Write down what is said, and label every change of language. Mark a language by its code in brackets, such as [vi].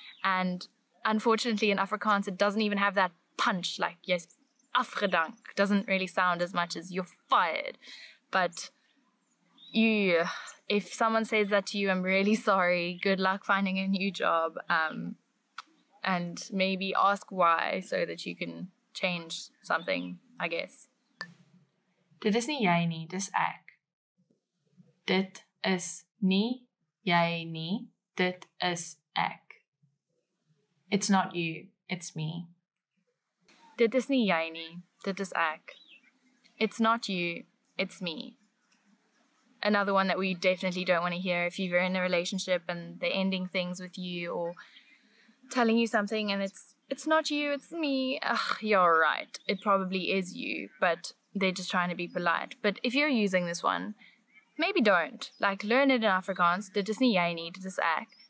[en] And unfortunately, in Afrikaans, it doesn't even have that punch, like, yes, afgedank doesn't really sound as much as you're fired. But if someone says that to you, I'm really sorry. Good luck finding a new job. And maybe ask why so that you can change something, I guess. [af] Dit is nie jy nie, dis ek. Dit is nie jy nie, dit is ek. [en] It's not you, it's me. [af] Dit is nie jy nie, dit is ek. [en] It's not you, it's me. Another one that we definitely don't want to hear if you're in a relationship and they're ending things with you or telling you something and it's not you, it's me. Ugh, you're right. It probably is you, but they're just trying to be polite. But if you're using this one, maybe don't. Like, learn it in Afrikaans, [af] dit is nie jy nie, dit is ek.